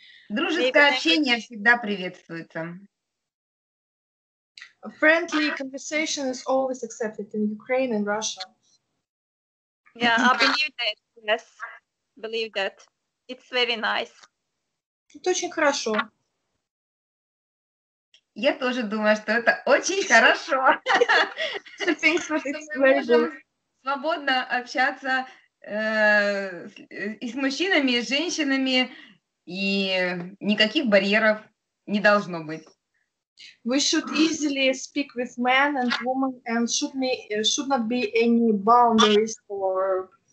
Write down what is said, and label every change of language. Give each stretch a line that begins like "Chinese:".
Russian: Дружеское общение всегда приветствуется.
English: Friendly conversation is always accepted in Ukraine and Russia. Yeah, I believe that. Yes, believe that. It's very nice.
Russian: Это очень хорошо. Я тоже думаю, что это очень хорошо.
English: I think so, it's very good.
Russian: Свободно общаться и с мужчинами, и с женщинами, и никаких барьеров не должно быть.
English: We should easily speak with men and women, and should not be any boundaries or